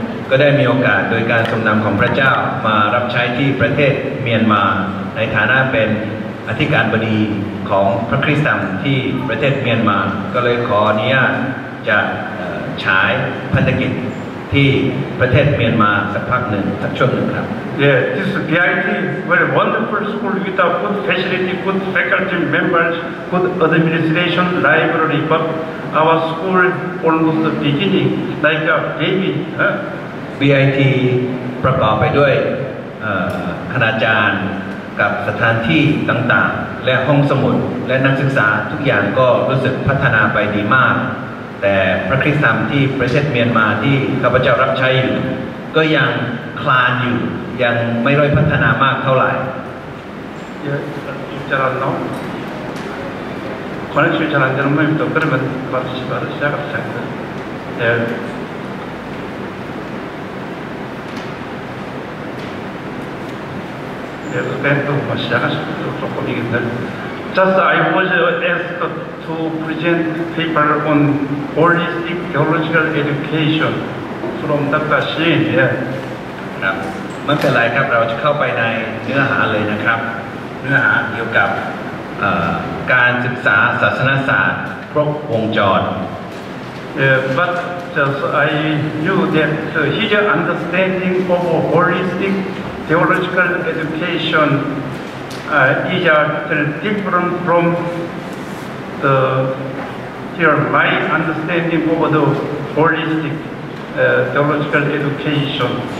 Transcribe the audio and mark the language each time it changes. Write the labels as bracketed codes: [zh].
[th] ก็ได้มีโอกาสโดยการทรงนำของพระเจ้ามารับใช้ที่ประเทศเมียนมาในฐานะเป็นอธิการบดีของพระคริสตจักรที่ประเทศเมียนมาก็เลยขออนุญาตจะฉายพันธกิจที่ประเทศเมียนมาสักพักหนึ่งสักช่วงหนึ่งครับ [en] Yeah, this BIT very wonderful school with a good facility, good faculty members, good administration, library, but our school almost the beginning, like a baby. [th] BIT ประกอบไปด้วยคณาจารย์กับสถานที่ต่างๆและห้องสมุดและนักศึกษาทุกอย่างก็รู้สึกพัฒนาไปดีมากแต่พระคริสตธรรมที่ประเทศเมียนมาที่ข้าพเจ้ารับใช้อยู่ก็ยังคลานอยู่ยังไม่ร่อยพัฒนามากเท่าไหร่เดี๋ยวจะรันเนาะคอนเนคชั่นจะรันจะไม่มีตัวเครื่องมันมาที่บ้านเสียกับเสียงเดี๋ยว [en] Just I was asked to present paper on holistic theological education from Dr. Shin. [th] ครับมันเป็นไรครับเราจะเข้าไปในเนื้อหาเลยนะครับเนื้อหาเกี่ยวกับการศึกษาศาสนศาสตร์ครบวงจร [en] But just I knew that his understanding of holistictheological education is a little different from the here my understanding of the holistic theological education.